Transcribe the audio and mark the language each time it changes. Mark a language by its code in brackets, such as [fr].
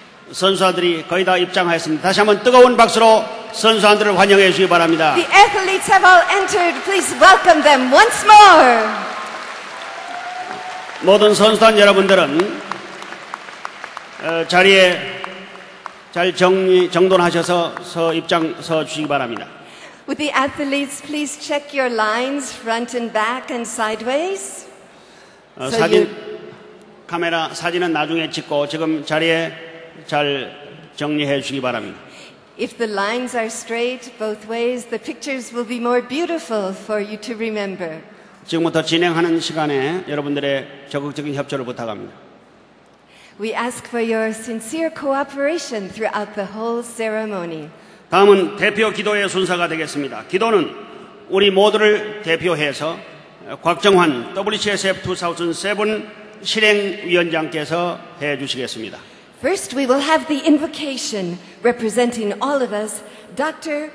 [ko] 선수들이 거의 다 입장하였습니다. 다시 한번 뜨거운 박수로 선수들을 환영해 주시기 바랍니다. [en] The athletes have all entered. Please welcome them once more. [ko] 모든 선수단 여러분들은 자리에 잘 정돈하셔서 입장서 주시기 바랍니다. [en] With the athletes, please check your lines front and back and sideways. [ko] 사진 카메라 사진은 나중에 찍고 지금 자리에 잘 정리해 주시기 바랍니다. [en] If the lines are straight both ways, the pictures will be more beautiful for you to remember. [ko] 지금부터 진행하는 시간에 여러분들의 적극적인 협조를 부탁합니다. [en] We ask for your sincere cooperation throughout the whole ceremony. [ko] 다음은 대표 기도의 순서가 되겠습니다. 기도는 우리 모두를 대표해서 곽정환 WCSF 2007 실행위원장께서 해 주시겠습니다. [en] First, we will have the invocation representing all of us, Dr.